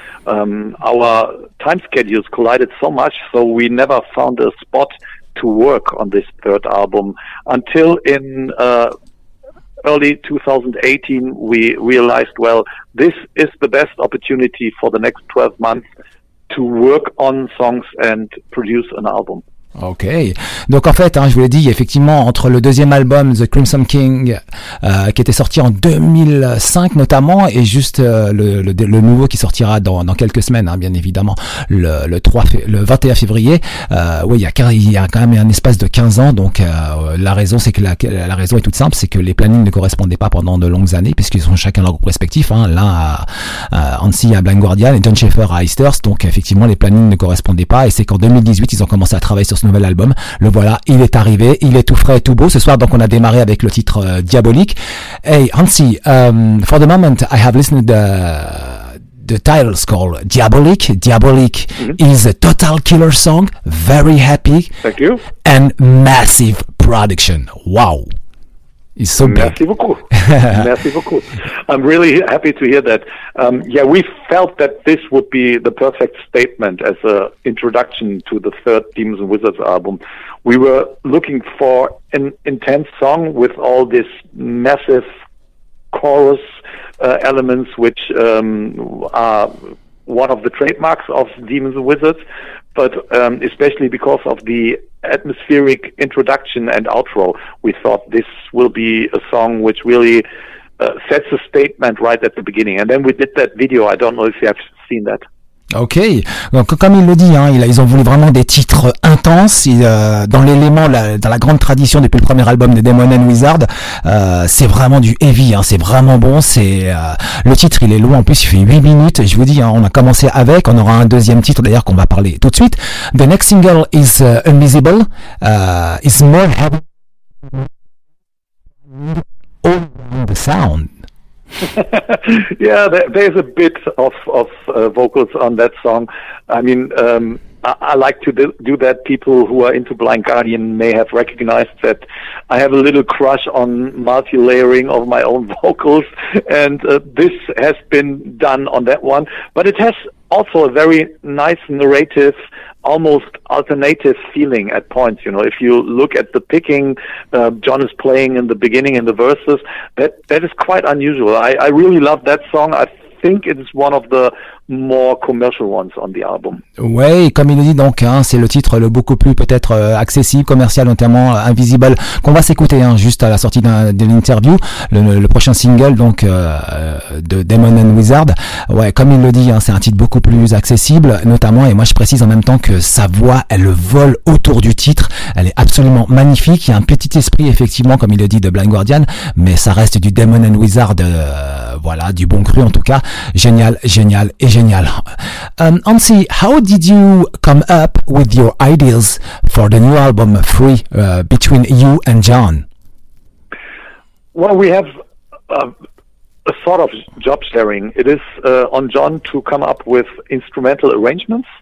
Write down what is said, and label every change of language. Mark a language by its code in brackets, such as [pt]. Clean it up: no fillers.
[en] Our time schedules collided so much, so we never found a spot to work on this third album until in early 2018 we realized, well, this is the best opportunity for the next 12 months to work on songs and produce an album. Okay. [fr] Donc en fait, hein, je vous l'ai dit, effectivement, entre le deuxième album The Crimson King qui était sorti en 2005 notamment, et juste le nouveau qui sortira dans quelques semaines, hein, bien évidemment, le 21 février. Oui, il y a quand même un espace de 15 ans. Donc la raison est toute simple, c'est que les plannings ne correspondaient pas pendant de longues années, puisqu'ils ont chacun leur groupe respectif, hein, l'un à Hansi à Blind Guardian et John Schaefer à Iced Earth. Donc effectivement, les plannings ne correspondaient pas, et c'est qu'en 2018 ils ont commencé à travailler sur ce nouvel album. Le voilà, il est arrivé, il est tout frais, tout beau. Ce soir, donc, on a démarré avec le titre Diabolique. [en] Hey, Hansi, for the moment, I have listened to the titles called Diabolique. Diabolique is a total killer song, very happy. Thank you. And massive production. Wow. It's so [fr] merci bien. Beaucoup. Merci beaucoup. [en] I'm really happy to hear that. Yeah, we felt that this would be the perfect statement as an introduction to the third Demons and Wizards album. We were looking for an intense song with all this massive chorus elements, which are one of the trademarks of Demons and Wizards, but especially because of the atmospheric introduction and outro, we thought this will be a song which really sets a statement right at the beginning. And then we did that video. I don't know if you have seen that. [fr] Ok, donc comme il le dit, hein, ils ont voulu vraiment des titres intenses. Dans l'élément, dans la grande tradition depuis le premier album de Damon and Wizard, c'est vraiment du heavy, hein, c'est vraiment bon. Le titre, il est long, en plus il fait 8 minutes. Je vous dis, hein, on a commencé avec, on aura un deuxième titre d'ailleurs qu'on va parler tout de suite. [en] The next single is Invisible, is more heavy all the sound. Yeah, there's a bit of vocals on that song. I mean, I like to do that. People who are into Blind Guardian may have recognized that I have a little crush on multi-layering of my own vocals, and this has been done on that one. But it has also a very nice narrative, almost alternative feeling at points. You know, if you look at the picking John is playing in the beginning in the verses, that is quite unusual. I really love that song. I think it's one of the more commercial ones on the album. [fr] Oui, comme il le dit donc, hein, c'est le titre le beaucoup plus peut-être accessible, commercial, notamment Invisible, qu'on va s'écouter, hein, juste à la sortie de l'interview, le prochain single donc de Damon and Wizard. Ouais, comme il le dit, hein, c'est un titre beaucoup plus accessible, notamment, et moi je précise en même temps que sa voix, elle vole autour du titre, elle est absolument magnifique, il y a un petit esprit effectivement, comme il le dit, de Blind Guardian, mais ça reste du Damon and Wizard, voilà, du bon cru en tout cas, génial, génial. Et génial. [en] Ansi, how did you come up with your ideas for the new album Free between you and John? Well, we have a sort of job sharing. It is on John to come up with instrumental arrangements.